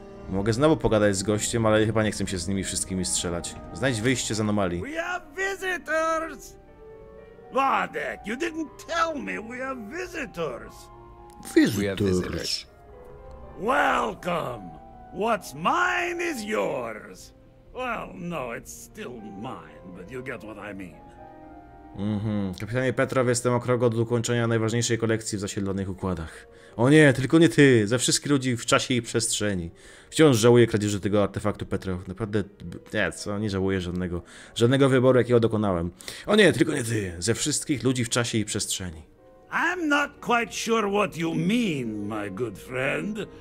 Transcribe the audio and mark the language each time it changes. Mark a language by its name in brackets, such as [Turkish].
[Polish] Mogę znowu pogadać z gościem, ale chyba nie chcę się z nimi wszystkimi strzelać. Znajdź wyjście z anomalii. [English] We have visitors! Vadek, you didn't tell me we have visitors! Visitors! Welcome! What's mine is yours! Well, no, it's still mine, but you get what I mean. [Polish] Kapitanie Petrow, jestem o krok od ukończenia najważniejszej kolekcji w zasiedlonych układach. O nie, tylko nie ty, ze wszystkich ludzi w czasie i przestrzeni. Wciąż żałuję kradzieży tego artefaktu, Petrow. Naprawdę, nie, co, nie żałuję żadnego. Żadnego wyboru, jakiego dokonałem. O nie, tylko nie ty, ze wszystkich ludzi w czasie i przestrzeni. [English] I'm not quite sure what you mean, my good friend.